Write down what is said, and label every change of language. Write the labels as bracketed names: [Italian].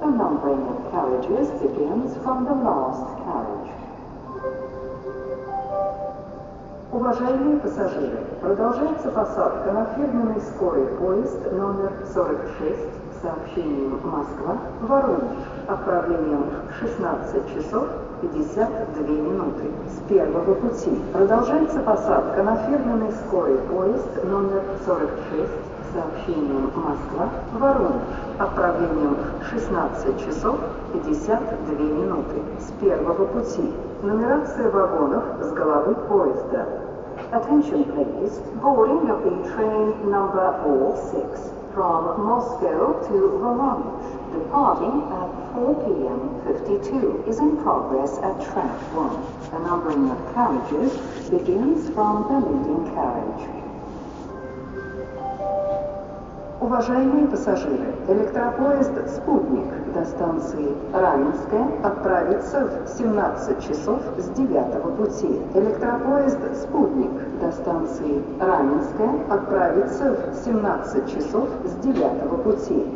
[English] The numbering of carriages begins from the last carriage. [Russian] Уважаемые пассажиры, продолжается посадка на фирменный скорый поезд номер 46 с сообщением Москва, Воронеж, отправлением в 16 часов 52 минуты с первого пути. Продолжается посадка на фирменный скорый поезд номер 46 с сообщением Москва, Воронеж, отправлением в 16 часов 52 минуты с первого пути. Нумерация вагонов с головы поезда. [English] Attention please, boarding of the train number 46 from Moscow to Voronezh, departing at 4 p.m. 52, is in progress at track 1. The numbering of carriages begins from the leading carriage. [Russian] Уважаемые пассажиры, электропоезд «Спутник» до станции Раменская отправится в 17 часов с 9 пути. Электропоезд «Спутник» до станции Раменская отправится в 17 часов с 9 пути.